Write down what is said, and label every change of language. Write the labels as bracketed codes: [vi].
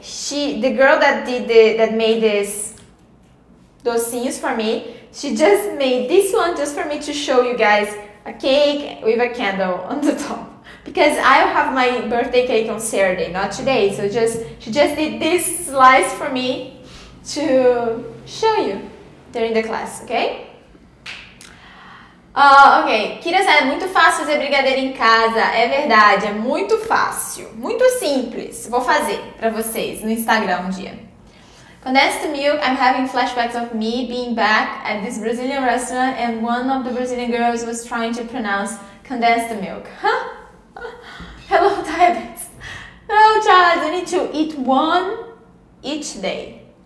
[en] The girl that made this docinhos for me, she just made this one just for me to show you guys, a cake with a candle on the top. Because I have my birthday cake on Saturday, not today. So just she just did this slice for me to show you during the class, okay? Okay, Kira said, [pt] é muito fácil fazer brigadeiro em casa. É verdade, é muito fácil. Muito simples. Vou fazer pra vocês no Instagram um dia. [en] Condensed milk, I'm having flashbacks of me being back at this Brazilian restaurant and one of the Brazilian girls was trying to pronounce condensed milk. Huh? Hello, diabetes. No, child, you need to eat one each day.